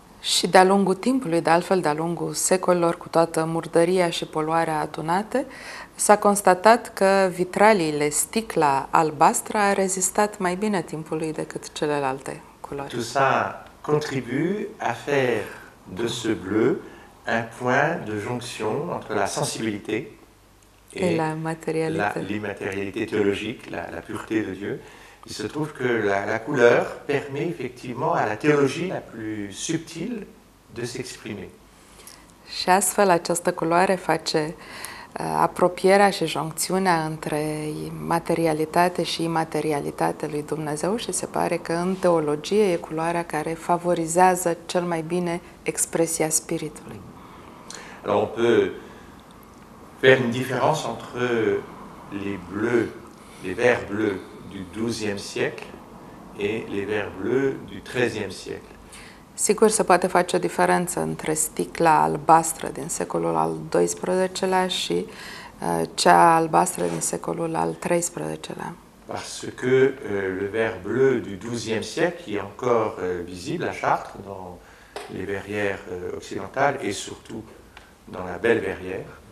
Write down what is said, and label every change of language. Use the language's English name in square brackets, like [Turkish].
[Romanian] Și de-a lungul timpului, de altfel de-a lungul secolelor, cu toată murdăria și poluarea adunate, s-a constatat că vitraliile, sticla albastră, a rezistat mai bine timpului decât celelalte culori. [French] Tout ça contribue à faire de ce bleu un point de jonction entre la sensibilité et la matérialité. L'immatérialité théologique, la pureté de Dieu. Il se trouve que la couleur permet effectivement à la théologie la plus subtile de s'exprimer. [Romanian] Și astfel această culoare face apropierea și joncțiunea între materialitate și imaterialitate lui Dumnezeu și se pare că în teologie e culoarea care favorizează cel mai bine expresia spiritului. [French] Alors on peut faire une différence entre les bleus, les verts bleus du 12e siècle et les verts bleus du 13e siècle. [Romanian] Sigur, se poate face o diferență între sticla albastră din secolul al XII-lea și cea albastră din secolul al XIII-lea. [French] Parce que le verre bleu du 12e siècle est encore visible à Chartres dans les verrières occidentales et surtout dans la belle verrière.